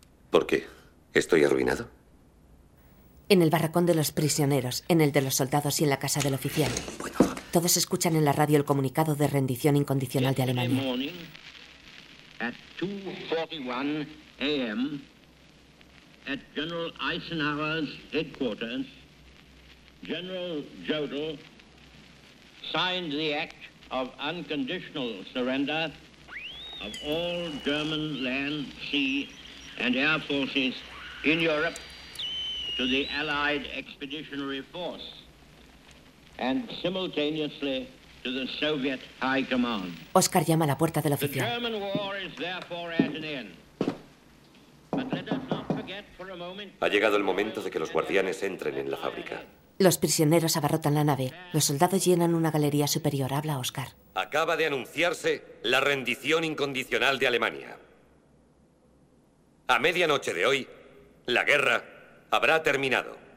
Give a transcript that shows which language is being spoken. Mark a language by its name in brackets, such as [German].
[Spanish] ¿Por qué? ¿Estoy arruinado? En el barracón de los prisioneros, en el de los soldados y en la casa del oficial. Bueno. Todos escuchan en la radio el comunicado de rendición incondicional de Alemania. [English] At 2:41 a.m. at General Eisenhower's headquarters, General Jodl signed the act of unconditional surrender of all German land, sea, and air forces in Europe to the Allied Expeditionary Force and simultaneously to the Soviet High Command. [Spanish] Oscar llama a la puerta del oficial. [English] The German war is therefore at an end. But let us not forget for a moment. [Spanish] Ha llegado el momento de que los guardianes entren en la fábrica. Los prisioneros abarrotan la nave. Los soldados llenan una galería superior. Habla Oscar. Acaba de anunciarse la rendición incondicional de Alemania. A medianoche de hoy, la guerra habrá terminado.